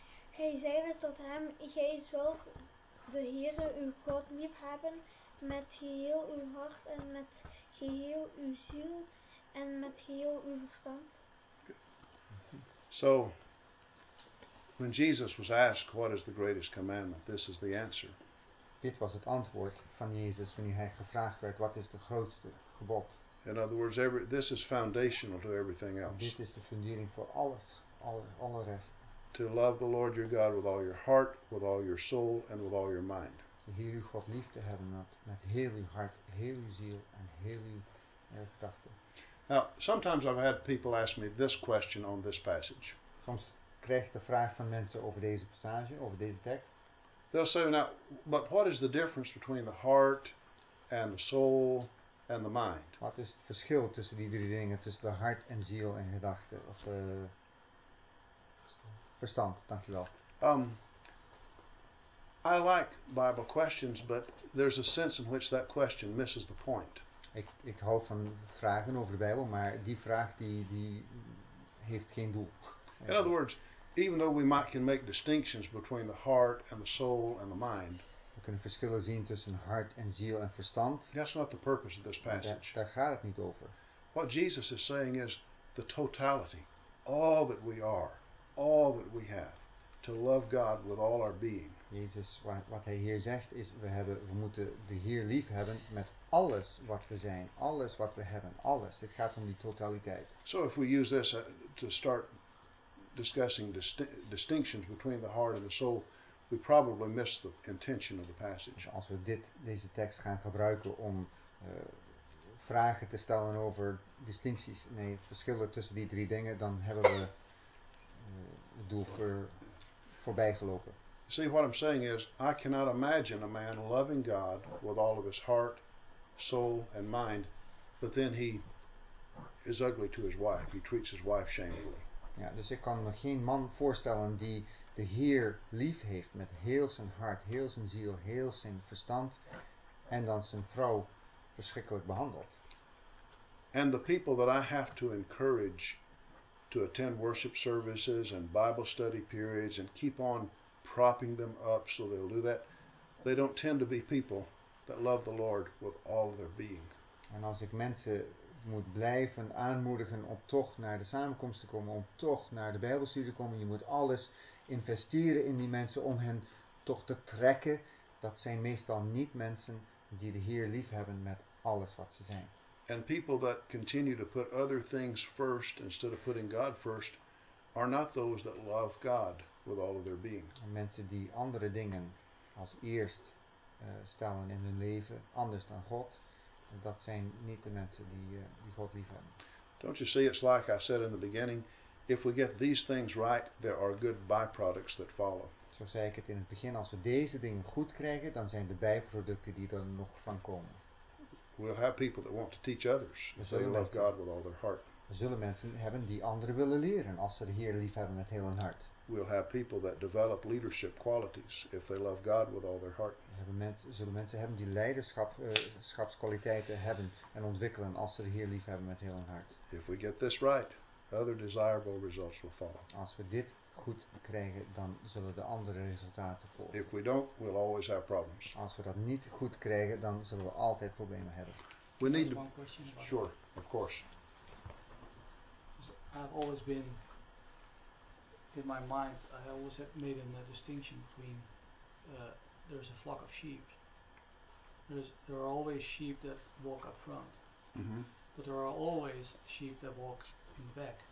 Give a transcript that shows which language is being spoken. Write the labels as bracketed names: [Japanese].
[Dutch] Hij zei tot hem, gij zult de Heere uw God lief hebben met geheel uw hart en met geheel uw ziel en met geheel uw verstand. [English] So, when Jesus was asked, what is the greatest commandment? This is the answer. [Dutch] Dit was het antwoord van Jezus wanneer hij gevraagd werd, wat is de grootste gebod? [English] In other words, this is foundational to everything else. [Dutch] Dit is de fundering voor alles, alle rest. [English] To love the Lord your God with all your heart, with all your soul, and with all your mind. [Dutch] Heer uw God lief te hebben met heel uw hart, heel uw ziel en heel uw krachten. [English] Now, sometimes I've had people ask me this question on this passage. [Dutch] Soms krijg ik de vraag van mensen over deze passage, over deze tekst. [English] They'll say, now, but what is the difference between the heart and the soul and the mind? [Dutch] Wat is het verschil tussen die drie dingen, tussen de hart en ziel en gedachten? Of verstand, dankjewel. [English] I like Bible questions, but there's a sense in which that question misses the point. [Dutch] Ik hou van vragen over de Bijbel, maar die vraag die heeft geen doel. [English] In other words, even though we might can make distinctions between the heart and the soul and the mind, [Dutch] we kunnen verschillen zien tussen hart en ziel en verstand. [English] That's not the purpose of this passage. [Dutch] Daar gaat het niet over. [English] What Jesus is saying is the totality, all that we are, all that we have, to love God with all our being. [Dutch] Jezus, wat hij hier zegt is, we moeten de Heer lief hebben met alles wat we zijn, alles wat we hebben, alles. Het gaat om die totaliteit. [English] So if we use this to start discussing distinctions between the heart and the soul, we probably miss the intention of the passage. [Dutch] Als we deze tekst gaan gebruiken om vragen te stellen over verschillen tussen die drie dingen, dan hebben we het doel voorbij gelopen. [English] See, what I'm saying is, I cannot imagine a man loving God with all of his heart, soul, and mind, but then he is ugly to his wife. He treats his wife shamefully. [Dutch] Ja, dus ik kan me geen man voorstellen die de Heer lief heeft met heel zijn hart, heel zijn ziel, heel zijn verstand, en dan zijn vrouw verschrikkelijk behandelt. [English] And the people that I have to encourage to attend worship services and Bible study periods and keep on propping them up so they'll do that, they don't tend to be people that love the Lord with all of their being. [Dutch] En als ik mensen moet blijven aanmoedigen om toch naar de samenkomst te komen, om toch naar de Bijbelstudie te komen, je moet alles investeren in die mensen om hen toch te trekken, dat zijn meestal niet mensen die de Heer lief hebben met alles wat ze zijn. [English] And people that continue to put other things first instead of putting God first are not those that love God with all of their being. [Dutch] En mensen die andere dingen als eerst stellen in hun leven, anders dan God, dat zijn niet de mensen die God lief hebben. [English] Don't you see, it's like I said in the beginning, if we get these things right, there are good byproducts that follow. [Dutch] Zo zei ik het in het begin, als we deze dingen goed krijgen, dan zijn de bijproducten die er nog van komen. [English] We'll have people that want to teach others if they love God with all their heart. [Dutch] We zullen mensen hebben die anderen willen leren als ze de Heer lief hebben met heel hun hart. [English] We'll have people that develop leadership qualities if they love God with all their heart. [Dutch] Zullen mensen hebben die leiderschapskwaliteiten hebben en ontwikkelen als ze de Heer lief hebben met heel hun hart. [English] If we get this right, other desirable results will follow. [Dutch] Als we dit goed krijgen, dan zullen de andere resultaten volgen. [English] If we don't, we'll always have problems. [Dutch] Als we dat niet goed krijgen, dan zullen we altijd problemen hebben. [English] We need one question. Sure, of course. I've always been, in my mind, I always have made a distinction between there's a flock of sheep. There are always sheep that walk up front, but there are always sheep that walk in the back.